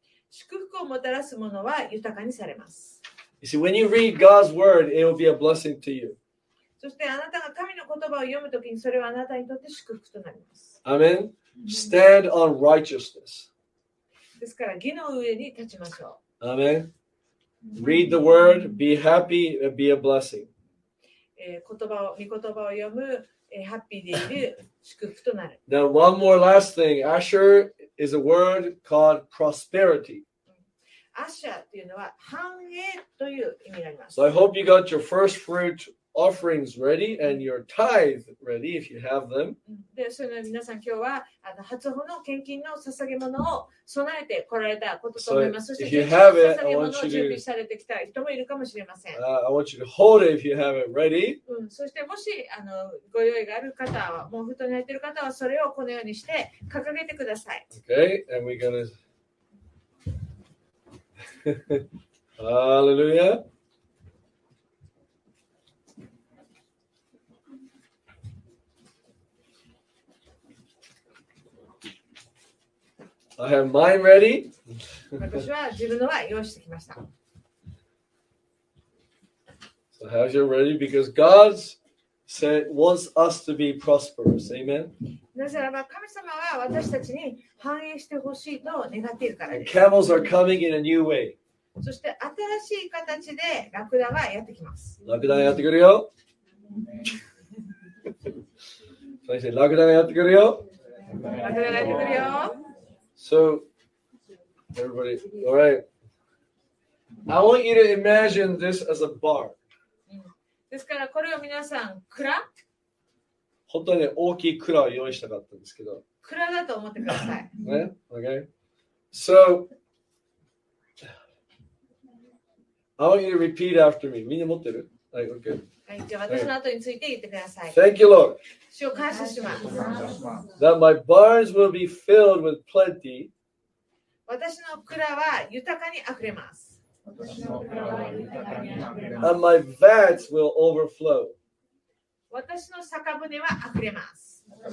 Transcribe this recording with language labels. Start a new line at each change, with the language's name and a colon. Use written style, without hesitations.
Japanese: 祝福をもたらす者は豊かにされます。
English: You see, when you read God's word, it will be a blessing to you.
Japanese: そしてあなたが神の言葉を読むときに、それはあなたにとって祝福となります。
English: Amen. Stand on righteousness.
Japanese: ですから義の上に立ちましょう。
English: Amen. Read the word, be happy, and be a blessing.
Japanese: 言葉を読む、ハッピーでいる、祝福となる。
English: Now, one more last thing. Asher is a word called prosperity.
Japanese: Asher というのは繁栄という意味があります。
English: So I hope you got your first fruit offerings ready and your tithe ready if you have them.
Japanese: で、それの皆さん今日は初穂の献金の捧げ物を備えて来られたことと思います。
English: So if you have it, I want you to
Japanese: 準備されてきた人もいるかもしれません。
English: I want you to hold it if you have it ready.
Japanese: そしてもしご用意がある方は、もう布団に入っている方はそれをこのようにして掲げてください。
English: Okay, and we're gonna Hallelujah. I have mine ready.
Japanese: 私は自分のは用意してきました。
English: So how's your ready? Because God said, wants us to be prosperous. Amen.
Japanese: なぜならば神様は私たちに繁栄してほしいと願っているからです。
English: And camels are coming in a new way.
Japanese: そして新しい形でラクダがやってきます。ラクダやってくるよ。そしてラクダがやってくるよ。ラクダがやってくるよ。
English: So, everybody, all right. I want you to imagine this as a bar.
Japanese: ですからこれを皆さん、蔵？本当に大きい蔵を用意したかったんですけど。蔵だと思ってください。
English: ね、okay. So, I want you to repeat after me.
Japanese: みんな持ってる？はい、OK。はい、じゃあ私の後について言ってください。
English: Thank you, Lord.
Japanese: 主を感謝します。
English: That my barns will be filled with plenty.
Japanese: 私の蔵は豊かにあふれます。
English: And my vats will overflow.
Japanese: 私の酒舟はあふれます。